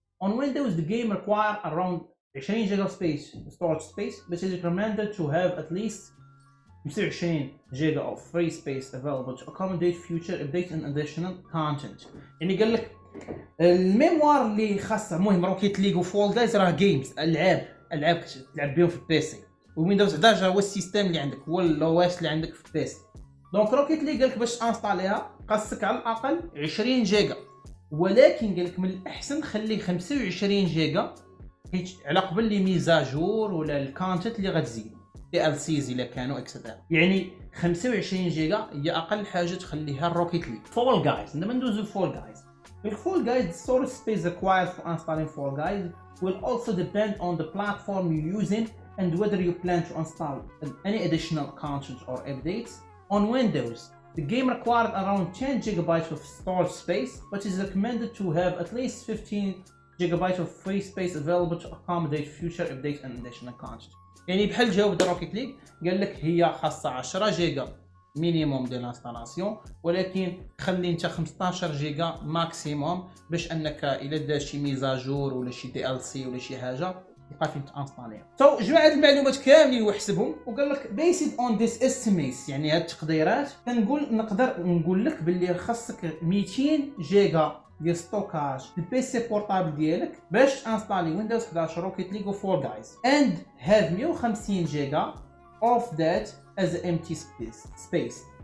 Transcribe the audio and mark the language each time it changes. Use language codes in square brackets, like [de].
[en] On Windows the game require around 20 giga space storage space but is recommended to have at least 25 giga of free space available to accommodate future updates and additional content. [ar] يعني قال لك الميموار اللي خاصه، المهم روكيت ليج وفول جايز راه جيمز، العاب تلعب بهم في البي سي، ويندوز 11 هو السيستم اللي عندك، هو الاو اس اللي عندك في البي سي. دونك روكيت ليج قال لك باش انستاليها خاصك على الاقل 20 جيجا، ولكن قال لك من الاحسن خلي 25 جيجا حيت على قبل لي ميزاجور ولا الكونتنت اللي غتزيد DLCs إلا كانوا اكسترا، يعني 25 جيجا هي أقل حاجة تخليها الروكيت ليج. [en] Fall Guys, [ar] دابا ندوزو [en] Fall Guys. Fall Guys storage space required for installing Fall Guys will also depend on the platform you're using and whether you plan to install any additional content or updates. On Windows, the game required around 10 gigabytes of storage space but is recommended to have at least 15 gigabytes of free space available to accommodate future updates and additional content. [ar] يعني بحال جاوب روكيت ليج قال لك هي خاصه 10 جيجا مينيموم ديال انستالاسيون، ولكن خلي انت 15 جيجا ماكسيموم باش انك الا دار شي ميزاجور ولا شي دي ال سي ولا شي حاجه يبقى فين تانستاليها. تو جمع هاد المعلومات كاملين وحسبهم وقال لك [en] based on this estimates, [ar] يعني هاد التقديرات كنقول نقدر نقول لك باللي خاصك 200 جيجا ديال ستوكاج البي سي بورتابل ديالك باش انستالي ويندوز 11 روكيت ليج و فور جايز، [en] And have 150 giga of that is empty space.